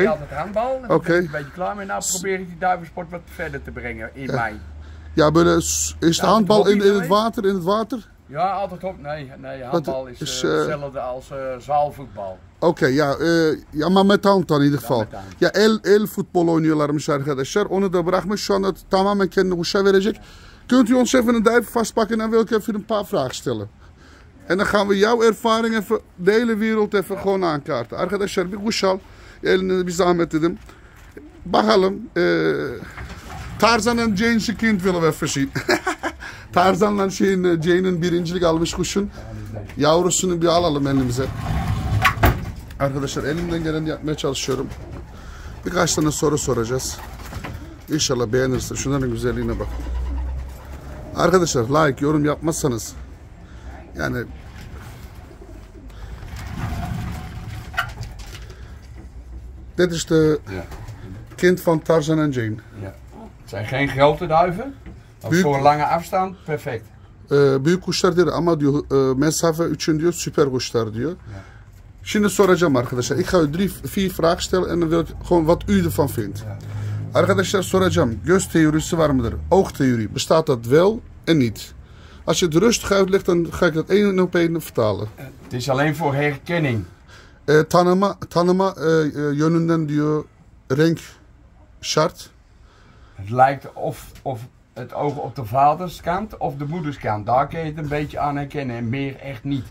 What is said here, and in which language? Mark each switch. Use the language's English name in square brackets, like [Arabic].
[Dutch] Ik ben altijd handbal. Oké. Okay. Een beetje klaar mee. Nou probeer ik die duivensport wat verder te brengen in mei. Ja, maar is de handbal in het water? In het water? Ja, altijd op. Nee, handbal is hetzelfde als zaalvoetbal. Oké, okay, ja, maar met hand dan in ieder geval. [Turkish] Ja, el futbol oynuyorlarmış arkadaşlar. Onu da bırakmış. Şu anda tamamen kendini huşa verecek. [Dutch] Kunt u ons even een duif vastpakken? Dan wil ik even een paar vragen stellen. En dan gaan we jouw ervaring even de hele wereld even gewoon aankaarten. [Turkish] Arkadaşlar, bir huş al. Elini bir zahmet edin. Bakalım. [Dutch] Tarzan'ın Jane'si kind willen we even zien. [Turkish] Tarzan'la Jane'in birincilik almış kuşun. Yavrusunu bir alalım elimize. Arkadaşlar elimden geleni yapmaya çalışıyorum. Birkaç tane soru soracağız. İnşallah beğenirsin. Şunların güzelliğine bak. Arkadaşlar like, yorum yapmazsanız. Yani. [Dutch] Dit is de kind van Tarzan en Jane. Ja. Het zijn geen grote duiven. Büyük, voor lange afstand perfect. [Turkish] Büyük kuşlar diyor ama diyor mesafe üçün diyor süper kuşlar diyor. Ja. Şimdi soracağım arkadaşlar. [Dutch] Ik ga u 3-4 vragen stellen en dan wil ik gewoon wat u ervan vindt. [Turkish] Ja. Arkadaşlar soracağım. Göz teorisi var mıdır? [Dutch] Oog theorie. Bestaat dat wel en niet? Als je het rustig uitlegt, dan ga ik dat één op één vertalen. Het is alleen voor herkenning. [Turkish] Tanıma yönünden diyor renk şart. [Dutch] Het lijkt of het oog op de vaderskant of de moederskant. Daar kun je het een beetje aan herkennen en meer echt niet.